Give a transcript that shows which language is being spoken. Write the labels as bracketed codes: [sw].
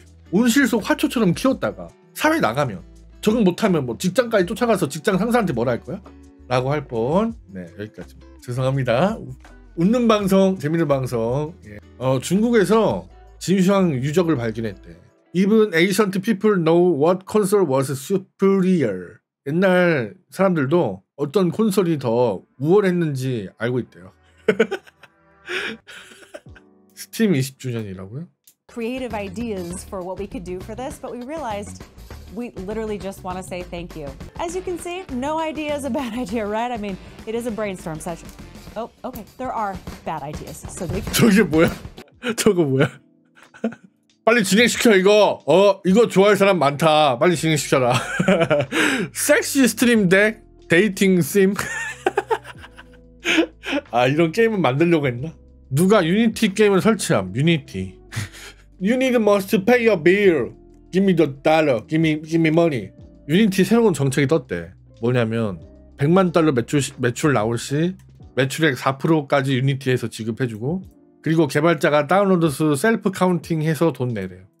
[ko] 온실 속 화초처럼 키웠다가 사회 나가면 적응 못하면 뭐 직장까지 쫓아가서 직장 상사한테 뭐라 할 거야? 라고 할 뻔. 네 여기까지. 죄송합니다. 웃는 방송, 재미있는 방송. 예. 중국에서 진슈왕 유적을 발견했대. [en] Even ancient people know what console was superior. [ko] 옛날 사람들도 어떤 콘솔이 더 우월했는지 알고 있대요. 스팀 20주년이라고요? [en] Creative ideas for what we could do for this, but we realized we literally just want to say thank you. As you can see, no idea is a bad idea, right? I mean, it is a brainstorm session. Oh, okay. There are bad ideas. So they [ko] 저게 뭐야? 저거 뭐야? 빨리 진행시켜 이거. 어, 이거 좋아할 사람 많다. 빨리 진행시켜라. 섹시 스트림 덱 데이팅 심. 아, 이런 게임을 만들려고 했나? 누가 유니티 게임을 설치함. 유니티. [en] You need must pay your bill. Give me the dollar. Give me money. [ko] 유니티 새로운 정책이 떴대. 뭐냐면 100만 달러 매출 나올 시 매출액 4%까지 유니티에서 지급해주고, 그리고 개발자가 다운로드 수 셀프 카운팅 해서 돈 내래요.